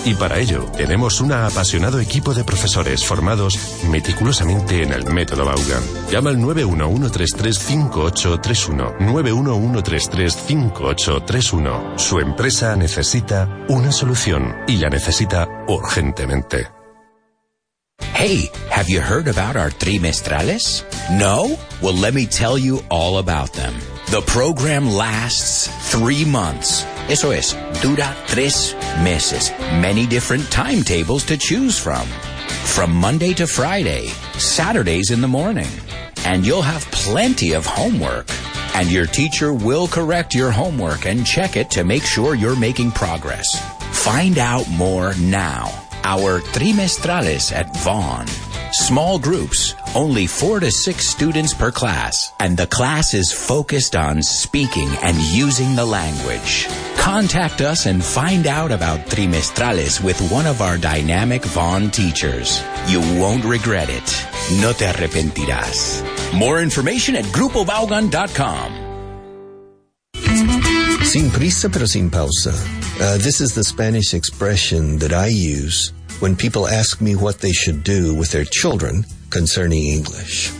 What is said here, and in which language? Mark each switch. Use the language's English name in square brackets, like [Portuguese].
[Spanish] Y para ello tenemos un apasionado equipo de profesores formados meticulosamente en el método Baugen. Llama al 911335831, 911335831. Su empresa necesita una solución y la necesita urgentemente. [English] Hey, have you heard about our trimestrales? No? Well, let me tell you all about them. The program lasts 3 months. [Spanish] Eso es, dura tres meses. [English] Many different timetables to choose from. From Monday to Friday, Saturdays in the morning. And you'll have plenty of homework. And your teacher will correct your homework and check it to make sure you're making progress. Find out more now. Our trimestrales at Vaughan. Small groups, only 4 to 6 students per class. And the class is focused on speaking and using the language. Contact us and find out about trimestrales with one of our dynamic Vaughan teachers. You won't regret it. [Spanish] No te arrepentirás. [English] More information at GrupoVaughan.com. [Spanish] Sin prisa, pero sin pausa. [English] This is the Spanish expression that I use when people ask me what they should do with their children concerning English.